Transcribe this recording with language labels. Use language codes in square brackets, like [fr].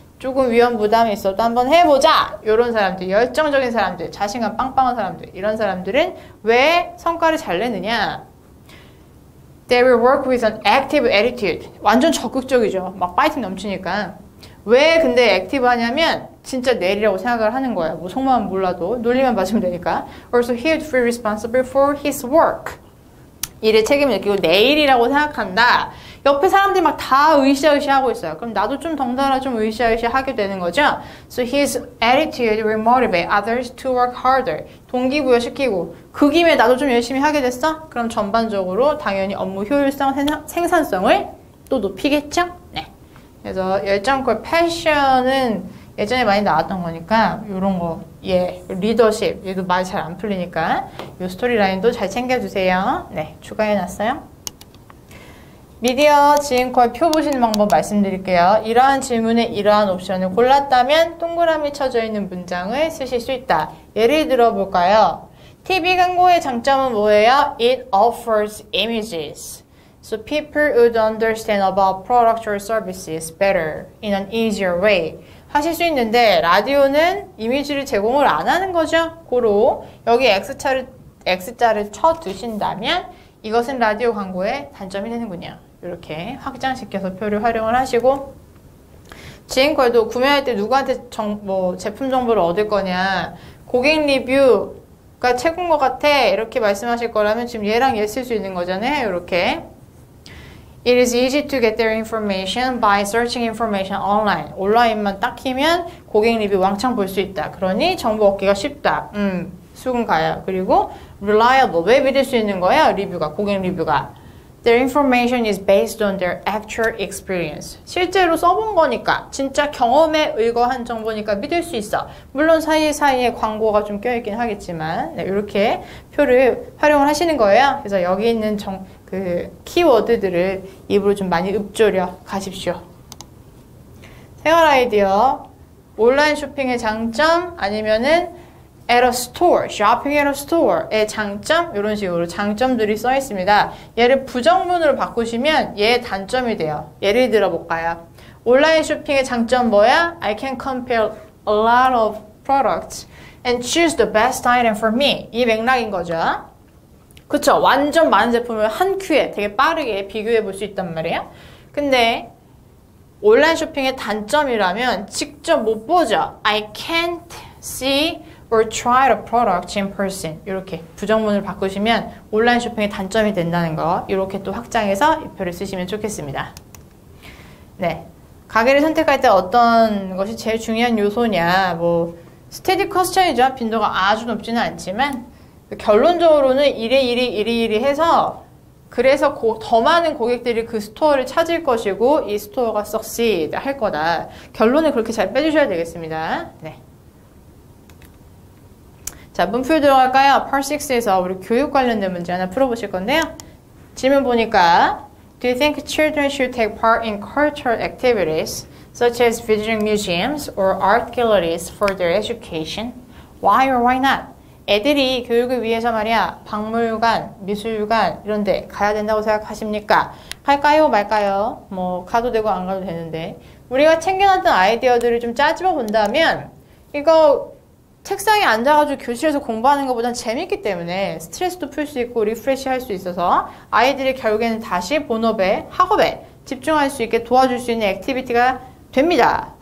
[ko] 조금 위험 부담이 있어도 한번 해 보자. 요런 사람들, 열정적인 사람들, 자신감 빵빵한 사람들. 이런 사람들은 왜 성과를 잘 내느냐? [en] They will work with an active attitude. [ko] 완전 적극적이죠. 막 파이팅 넘치니까. 왜 근데 액티브 하냐면 진짜 내리라고 생각을 하는 거예요. 뭐 속마음 몰라도 논리만 맞으면 되니까. [en] Also he would feel responsible for his work. [ko] 일에 책임을 느끼고 내일이라고 생각한다. 옆에 사람들이 막 다 으쌰으쌰 하고 있어요. 그럼 나도 좀 덩달아 좀 으쌰으쌰 하게 되는 거죠. [en] So his attitude will motivate others to work harder. [ko] 동기부여 시키고, 그 김에 나도 좀 열심히 하게 됐어? 그럼 전반적으로 당연히 업무 효율성, 생산성을 또 높이겠죠? 네. 그래서 열정컬 패션은 예전에 많이 나왔던 거니까 이런 거, 예, 리더십, 얘도 말 잘 안 풀리니까 이 스토리라인도 잘 챙겨주세요. 네, 추가해놨어요. 미디어 지인컬 표 보시는 방법 말씀드릴게요. 이러한 질문에 이러한 옵션을 골랐다면 동그라미 쳐져 있는 문장을 쓰실 수 있다. 예를 들어볼까요? TV 광고의 장점은 뭐예요? [en] It offers images. So people would understand about products or services better in an easier way. [ko] 하실 수 있는데 라디오는 이미지를 제공을 안 하는 거죠. 고로 여기 X자를 쳐 두신다면 이것은 라디오 광고의 단점이 되는군요. 이렇게 확장시켜서 표를 활용을 하시고, 지인컬도 구매할 때 누구한테 뭐 제품 정보를 얻을 거냐, 고객 리뷰 가 최고인 것 같아 이렇게 말씀하실 거라면 지금 얘랑 얘 쓸 수 있는 거잖아요. 이렇게 [en] It is easy to get their information by searching information online. [ko] 온라인만 딱 키면 고객 리뷰 왕창 볼 수 있다. 그러니 정보 얻기가 쉽다. 수긍 가요. 그리고 reliable. 왜 믿을 수 있는 거예요? 리뷰가, 고객 리뷰가. [en] Their information is based on their actual experience. [ko] 실제로 써본 거니까, 진짜 경험에 의거한 정보니까 믿을 수 있어. 물론 사이사이에 광고가 좀 껴있긴 하겠지만, 네, 이렇게 표를 활용을 하시는 거예요. 그래서 여기 있는 그 키워드들을 입으로 좀 많이 읊조려 가십시오. 생활 아이디어, 온라인 쇼핑의 장점, 아니면은 [en] at a store, shopping at a store [ko] 의 장점, 이런 식으로 장점들이 써 있습니다. 얘를 부정문으로 바꾸시면 얘 단점이 돼요. 예를 들어볼까요? 온라인 쇼핑의 장점 뭐야? [en] I can compare a lot of products and choose the best item for me. [ko] 이 맥락인 거죠. 그쵸. 완전 많은 제품을 한 큐에 되게 빠르게 비교해 볼수 있단 말이야. 근데 온라인 쇼핑의 단점이라면 직접 못 보죠. [en] I can't see or try the product in person. [ko] 이렇게 부정문을 바꾸시면 온라인 쇼핑의 단점이 된다는 거. 이렇게 또 확장해서 이 표를 쓰시면 좋겠습니다. 네. 가게를 선택할 때 어떤 것이 제일 중요한 요소냐. 뭐, 스테디 퀘스천이죠. 빈도가 아주 높지는 않지만. 결론적으로는 이래 이래 이래 이래 해서 그래서 더 많은 고객들이 그 스토어를 찾을 것이고 이 스토어가 succeed 할 거다. 결론을 그렇게 잘 빼주셔야 되겠습니다. 네. 자, 문풀 들어갈까요? Part 6에서 우리 교육 관련된 문제 하나 풀어보실 건데요. 질문 보니까 [en] Do you think children should take part in cultural activities such as visiting museums or art galleries for their education? Why or why not? [ko] 애들이 교육을 위해서 말이야, 박물관, 미술관, 이런 데 가야 된다고 생각하십니까? 갈까요, 말까요? 뭐, 가도 되고, 안 가도 되는데. 우리가 챙겨놨던 아이디어들을 좀 짜집어 본다면, 이거, 책상에 앉아가지고 교실에서 공부하는 것보단 재밌기 때문에, 스트레스도 풀수 있고, 리프레쉬 할수 있어서, 아이들이 결국에는 다시 본업에, 학업에 집중할 수 있게 도와줄 수 있는 액티비티가 됩니다.